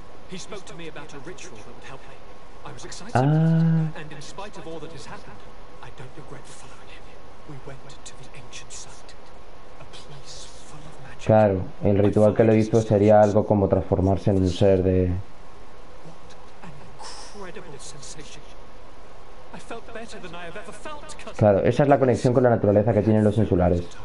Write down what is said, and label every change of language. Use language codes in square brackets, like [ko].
[en] He spoke to me about a ritual that would help me. I was excited. And in spite of all that has happened, I don't regret following him. We went to the ancient site. A place full of magic. [es] Claro, el ritual que le hizo sería algo como transformarse en un ser de... [en] What an incredible sensation. I felt better than I have ever felt. [es] Claro, esa es la conexión con la naturaleza que tienen los insulares.